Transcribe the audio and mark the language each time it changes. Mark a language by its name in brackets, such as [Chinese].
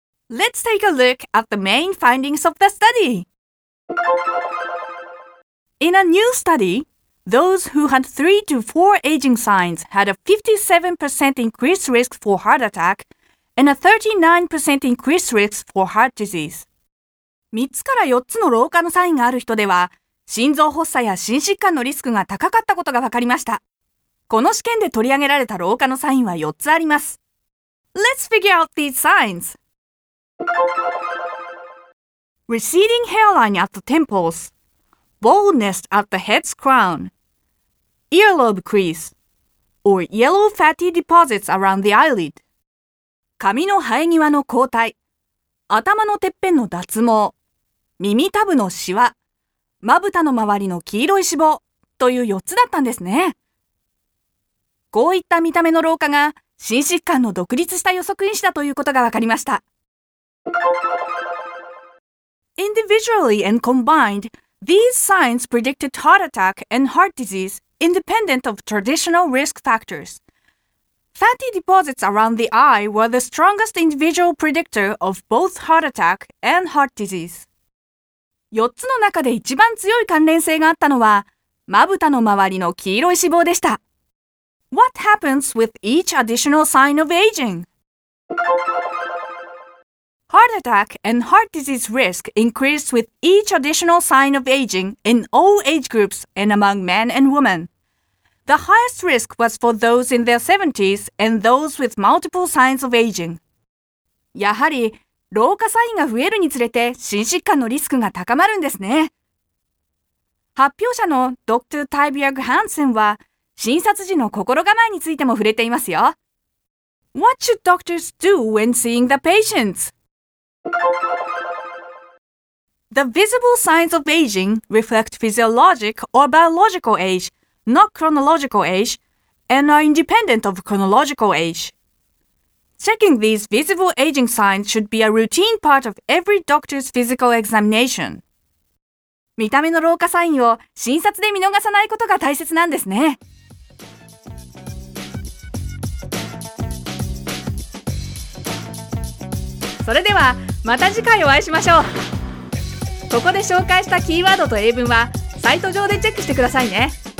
[English] Let's take a look at the main findings of the study. In a new study, those who had 3 to 4 aging signs had a 57% increased risk for heart attack and a 39% increased risk for heart disease. [Japanese] 3つから4つの老化のサインがある人では、心臓発作や心疾患のリスクが高かったことが分かりました。この試験で取り上げられた老化のサインは4つあります。 [English] Let's figure out these signs. Receding hairline at the temples, baldness at the head's crown, earlobe crease, or yellow fatty deposits around the eyelid. [Japanese] 髪の生え際の抗体、頭のてっぺんの脱毛、耳たぶのシワ、まぶたの周りの黄色い脂肪という4つだったんですね。こういった見た目の老化が心疾患の独立した予測因子だということが分かりました。 [English] Individually and combined, these signs predicted heart attack and heart disease independent of traditional risk factors. Fatty deposits around the eye were the strongest individual predictor of both heart attack and heart disease. [Japanese] 4つの中で一番強い関連性があったのは、まぶたの周りの黄色い脂肪でした。 [English] What happens with each additional sign of aging? Heart attack and heart disease risk increased with each additional sign of aging in all age groups and among men and women. The highest risk was for those in their 70s and those with multiple signs of aging. [Japanese] やはり、老化サインが増えるにつれて心疾患のリスクが高まるんですね。発表者のドクター・タイビアグ・ハンセンは、診察時の心構えについても触れていますよ。 [English] What should doctors do when seeing the patients? The visible signs of aging reflect physiologic or biological age, not chronological age, and are independent of chronological age. Checking these visible aging signs should be a routine part of every doctor's physical examination. [Japanese] 見た目の老化サインを診察で見逃さないことが大切なんですね。それでは、また次回お会いしましょう。ここで紹介したキーワードと英文はサイト上でチェックしてくださいね。